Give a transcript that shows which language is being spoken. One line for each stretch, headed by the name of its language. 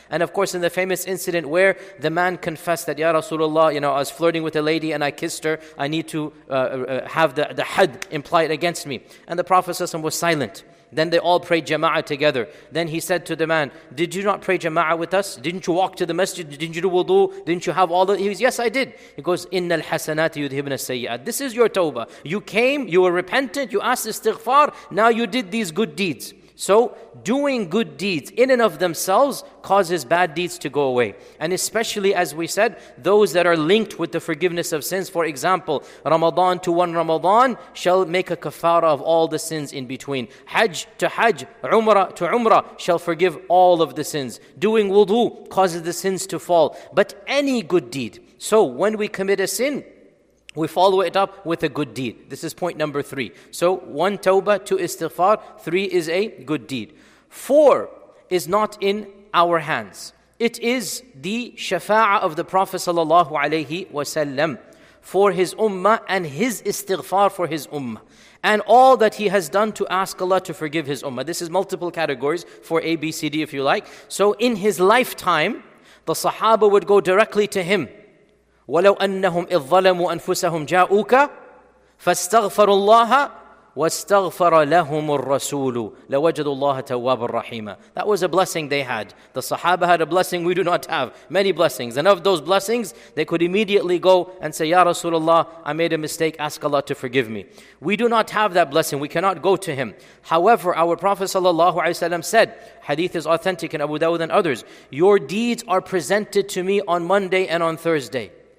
English: And of course, in the famous incident where the man confessed that, Ya Rasulullah, you know, I was flirting with a lady and I kissed her, I need to have the had implied against me. And the Prophet ﷺ was silent. Then they all prayed jama'ah together. Then he said to the man, did you not pray jama'ah with us? Didn't you walk to the masjid? Didn't you do wudu? Didn't you have all the... He goes, yes, I did. He goes,
Arabic: إِنَّ الْحَسَنَاتِ يُذْهِبْنَ السَّيِّئَاتِ.
English: This is your tawbah. You came, you were repentant, you asked istighfar, now you did these good deeds. So doing good deeds in and of themselves causes bad deeds to go away. And especially, as we said, those that are linked with the forgiveness of sins. For example, Ramadan to one Ramadan shall make a kafara of all the sins in between. Hajj to Hajj, Umrah to Umrah shall forgive all of the sins. Doing wudu causes the sins to fall. But any good deed. So when we commit a sin, we follow it up with a good deed. This is point number three. So one, tawbah, two, istighfar, three is a good deed. Four is not in our hands. It is the shafa'ah of the Prophet sallallahu alayhi wasallam for his ummah and his istighfar for his ummah. And all that he has done to ask Allah to forgive his ummah. This is multiple categories for A, B, C, D if you like. So in his lifetime, the sahaba would go directly to him.
Arabic: وَلَوْ أَنَّهُمْ إِذْ ظَلَمُوا أَنفُسَهُمْ جَاءُوكَ فاستغفروا الله واستغفر لهم الرسول لوجدوا الله توابا رحيما.
English: That was a blessing they had. The Sahaba had a blessing we do not have. Many blessings. And of those blessings, they could immediately go and say, Ya Rasulullah, I made a mistake, ask Allah to forgive me. We do not have that blessing. We cannot go to him. However, our Prophet sallallahu alaihi wasallam said, hadith is authentic in Abu Dawud and others, your deeds are presented to me on Monday and on Thursday.